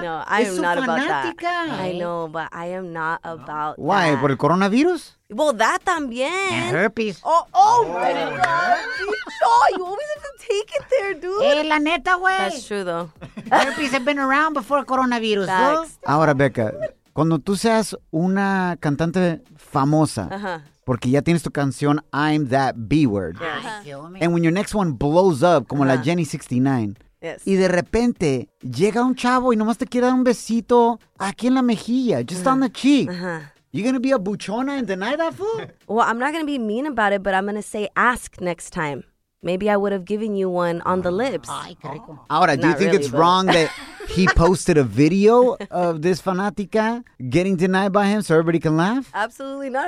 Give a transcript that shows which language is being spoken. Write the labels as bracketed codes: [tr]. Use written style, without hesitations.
[en] No, I am not about that. I know, but I am not about that. Why? [es] ¿Por el coronavirus? [en] Well, that [es] también. [en] And herpes. Oh my God. You always have to take it there, dude. [es] Hey, la neta, güey. [en] That's true, though. Herpes have been around before coronavirus, though. [es] Ahora, Becca, cuando tú seas una cantante famosa, porque ya tienes tu canción I'm That B-Word, [en] and when your next one blows up, [es] como la Jenny 69, y de repente llega un chavo y nomás te quiere dar un besito aquí en la mejilla, [en] just on the cheek. You gonna be a buchona and deny that fool? Well, I'm not gonna be mean about it, but I'm gonna say ask next time. Maybe I would have given you one on the lips. [es] Ay, qué rico. Ahora, [en] do you think it's wrong that he posted a video of this fanática getting denied by him so everybody can laugh? Absolutely not.